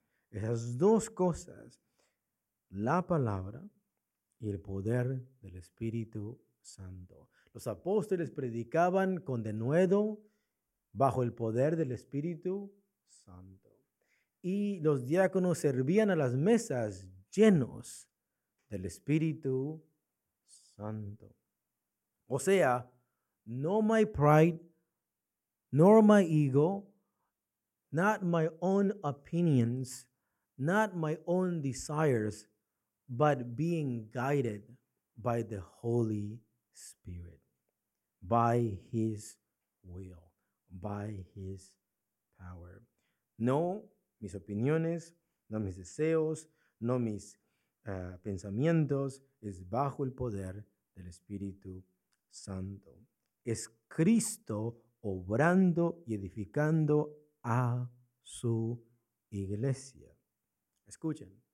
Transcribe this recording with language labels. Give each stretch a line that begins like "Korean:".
Spanish: Esas dos cosas, la palabra y el poder del Espíritu Santo. Los apóstoles predicaban con denuedo bajo el poder del Espíritu Santo. Y los diáconos servían a las mesas llenos del Espíritu Santo. O sea,
English: no my pride, nor my ego, not my own opinions, not my own desires, but being guided by the Holy Spirit, by His will, by His power.
Spanish: No mis opiniones, no mis deseos, no mis pensamientos, es bajo el poder del Espíritu Santo. Es Cristo obrando y edificando a su iglesia. Escuchen.